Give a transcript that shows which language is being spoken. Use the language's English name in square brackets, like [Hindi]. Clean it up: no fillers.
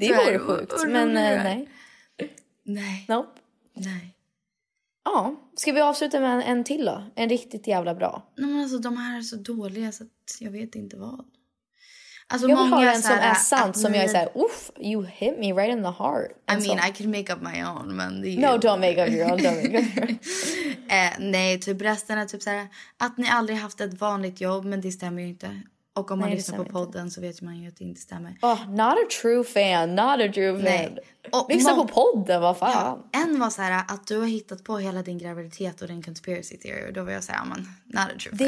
[Swedish] Det vore sjukt. Men nej. Nej. [English] Nope. [Swedish] Nej. Ja. Ah, ska vi avsluta med en till då? En riktigt jävla bra. Nej, men alltså, de här är så dåliga så att jag vet inte vad. Alltså, jag många har en som är sant som jag säger, oof, you hit me right in the heart. [English] I mean, I could make up my own, men... No, don't make up your own, don't make up your own. [Swedish] Nej, typ resten är typ så här, att ni aldrig haft ett vanligt jobb, men det stämmer ju inte. Och om nej, man lyssnar på podden inte. Så vet man ju att det inte stämmer. [English] Oh, not a true fan, not a true fan. [Swedish] Lyssna på podden, vad fan? Ja, en var så här, att du har hittat på hela din graviditet och din conspiracy theory, och då var jag så här, men, not a true fan.